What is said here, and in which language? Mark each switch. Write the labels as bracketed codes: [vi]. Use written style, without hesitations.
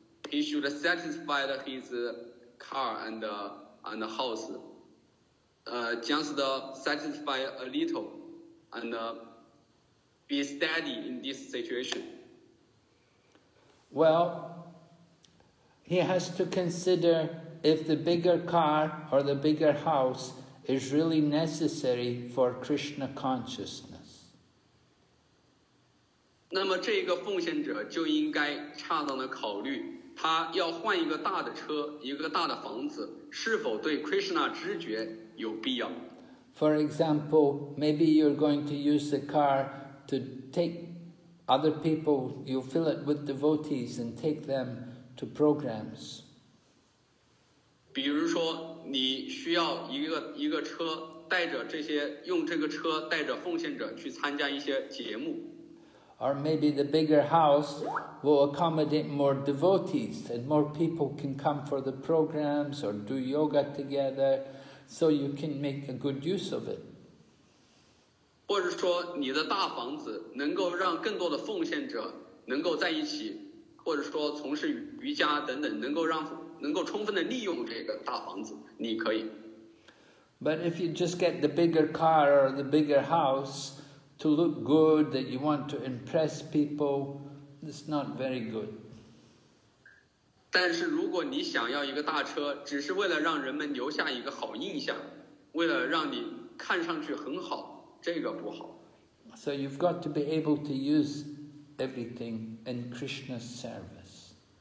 [en] He should satisfy his car and the house, just satisfy a little, and be steady in this situation. Well, he has to consider. If the bigger car or the bigger house is really necessary for Krishna consciousness. [zh] 那么这个奉献者就应该恰当的考虑，他要换一个大的车，一个大的房子，是否对 Krishna 知觉有必要。 [en] For example, maybe you're going to use the car to take other people, you fill it with devotees and take them to programs. [zh] 比如说，你需要一个车，带着这些用这个车带着奉献者去参加一些节目。 [en] Or maybe the bigger house will accommodate more devotees and more people can come for the programs or do yoga together, so you can make a good use of it. [zh] 或者说你的大房子能够让更多的奉献者能够在一起，或者说从事瑜伽等等，能够充分的利用这个大房子，你可以。 [en] But if you just get the bigger car or the bigger house to look good, that you want to impress people, it's not very good. [zh] 但是如果你想要一个大车，只是为了让人们留下一个好印象，为了让你看上去很好，这个不好。 [en] So you've got to be able to use everything in Krishna's service.